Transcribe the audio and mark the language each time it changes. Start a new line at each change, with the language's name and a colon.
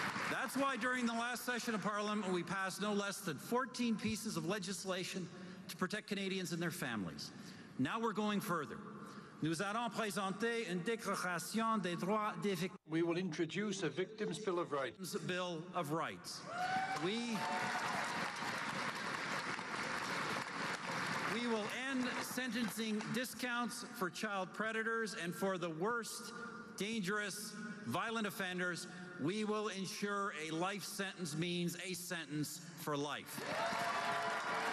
English: That's why during the last session of Parliament, we passed no less than 14 pieces of legislation to protect Canadians and their families. Now we're going further.
French: Nous allons présenter une déclaration des droits des victimes.
English: We will introduce a victim's bill of rights. Bill of rights. We will end sentencing discounts for child predators and for the worst dangerous violent offenders. We will ensure a life sentence means a sentence for life.